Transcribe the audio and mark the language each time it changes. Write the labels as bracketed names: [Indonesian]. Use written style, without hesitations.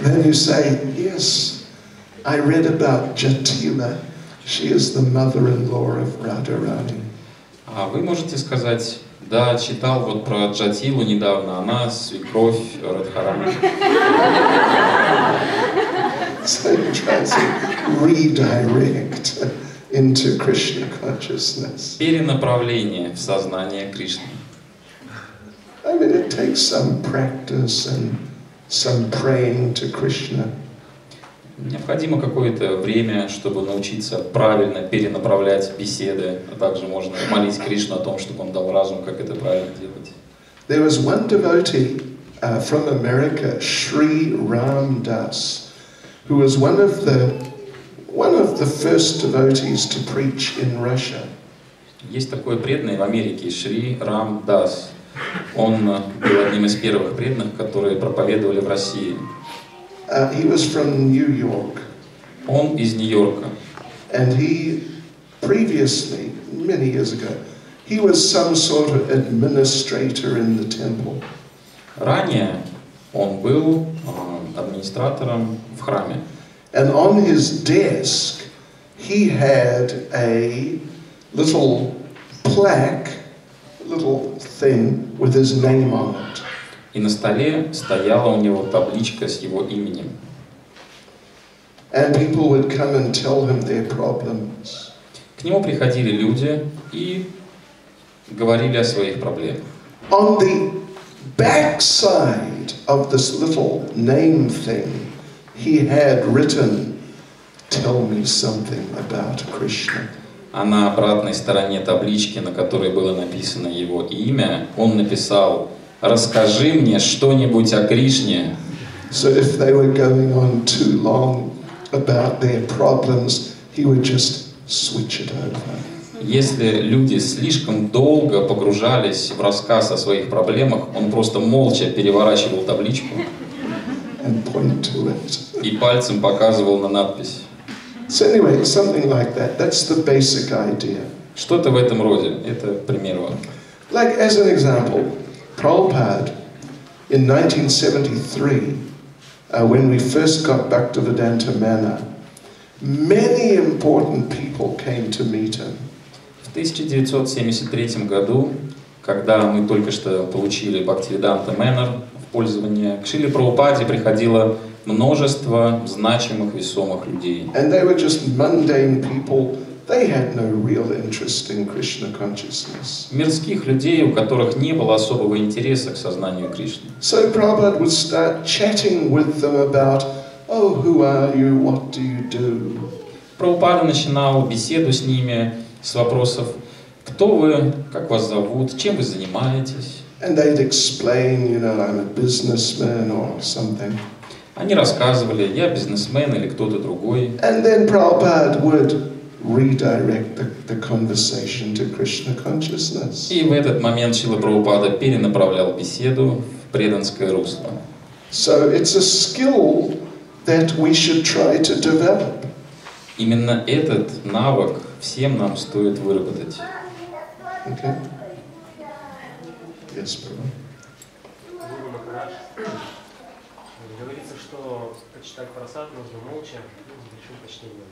[English] Then you say, "Yes, I read about Jatila. She is the mother-in-law of Radharani." [Russian] А вы можете сказать: "Да, читал вот про Джатилу недавно. Она свекровь Радхарани." [English] So you try to redirect into Krishna consciousness. [Russian] Перенаправление в сознание Кришны. [English] I mean, it takes some practice and some praying to Krishna. [Russian] Необходимо какое-то время, чтобы научиться правильно перенаправлять беседы, а также можно молить Кришну о том, чтобы он дал разум, как это правильно делать. [English] There was one devotee from America, Sri Ram Das, who was one of the first devotees to preach in Russia. [Russian] Есть такой преданный в Америке, Шри Рам Дас. Он был одним из первых преданных, которые проповедовали в России. [English] He was from New York. [Russian] Он из Нью-Йорка. [English] And he previously, many years ago, he was some sort of administrator in the temple. [Russian] Ранее он был администратором в храме. [English] And on his desk he had a little plaque, little thing with his name on it. [Russian] И на столе стояла у него табличка с его именем. [English] And people would come and tell him their problems. [Russian] К нему приходили люди и говорили о своих проблемах. [English] On the backside of this little name thing he had written, "Tell me something about Krishna." [Russian] А на обратной стороне таблички, на которой было написано его имя, он написал: "Расскажи мне что-нибудь о Кришне." [English] So if they were going on too long about their problems, he would just switch it over. [Russian] Если люди слишком долго погружались в рассказ о своих проблемах, он просто молча переворачивал табличку [English] and point to it. [Russian] И пальцем показывал на надпись. [English] So anyway, something like that. That's the basic idea. [Russian] Что-то в этом роде. Это пример вам. [English] Like as an example, Prabhupada, in 1973, when we first got Bhaktivedanta Manor, many important people came to meet him. [Russian] В 1973 году, когда мы только что получили Бхактивиданта Манор в пользование, к Шриле Прабхупаде приходило множество значимых, весомых людей. [English] And they were just mundane people. They had no real interest in Krishna consciousness. [Russian] Мирских людей, у которых не было особого интереса к сознанию Кришны. [English] So Prabhupada would start chatting with them about, "Oh, who are you? What do you do?" [Russian] Прабхупада начинал беседу с ними с вопросов: "Кто вы? Как вас зовут? Чем вы занимаетесь?" [English] And they'd explain, you know, "I'm a businessman" or something. [Russian] Они рассказывали: "Я бизнесмен" или кто-то другой. [English] And then Prabhupada would redirect the conversation to Krishna consciousness. [Russian] И в этот момент Шрила Прабхупада перенаправлял беседу в преданское русло. [English] So it's a skill that we should try to develop. [Russian] Именно этот навык всем нам стоит выработать. [English] Okay. Yes, Prabhupada. [Russian] Говорится, что почитать просад нужно молча, с большим почтением.